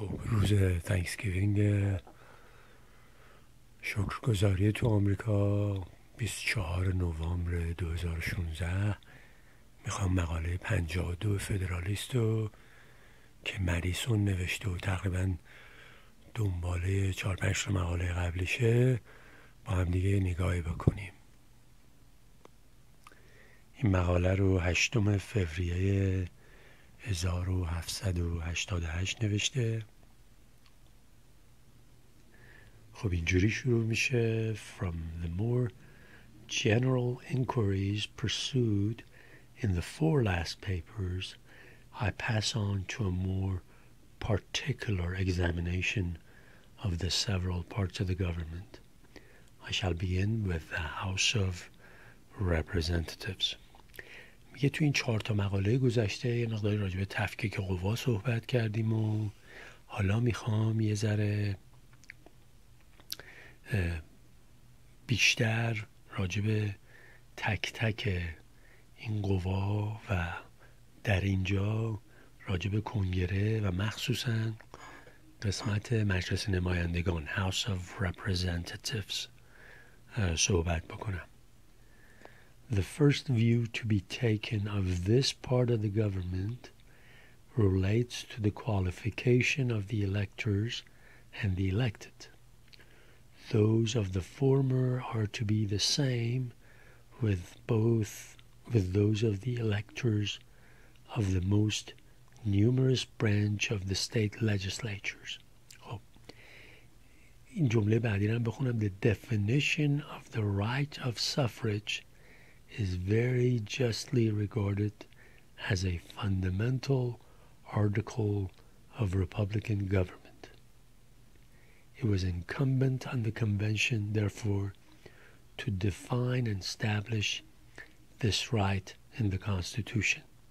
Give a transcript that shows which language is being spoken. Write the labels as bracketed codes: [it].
[fa] روز تانکسگیوینگ شکرگزاری تو آمریکا 24 نوامبر 2016 میخوام مقاله 52 فدرالیست رو که مریسون نوشته و تقریبا دنباله 4-5 مقاله قبلیشه با هم دیگه نگاهی بکنیم. این مقاله رو 8 فوریه 1788 نوشته. خب اینجوری شروع میشه: [en] From the more general inquiries pursued in the four last papers, I pass on to a more particular examination of the several parts of the government. I shall begin with the House of Representatives. [fa] میگه تو این 4 مقاله گذشته یه مقداری راجع به تفکیک قوا صحبت کردیم و حالا میخوام یه ذره بیشتر راجع به تک تک این قوا و در اینجا راجع به کنگره و مخصوصا قسمت مجلس نمایندگان House of Representatives صحبت بکنم. [en] The first view to be taken of this part of the government relates to the qualification of the electors and the elected. Those of the former are to be the same with those of the electors of the most numerous branch of the state legislatures. [fa] خب این جمله بعدی رو بخونم. [en] The definition of the right of suffrage is very justly regarded as a fundamental article of Republican government. It was incumbent on the convention, therefore, to define and establish this right in the Constitution.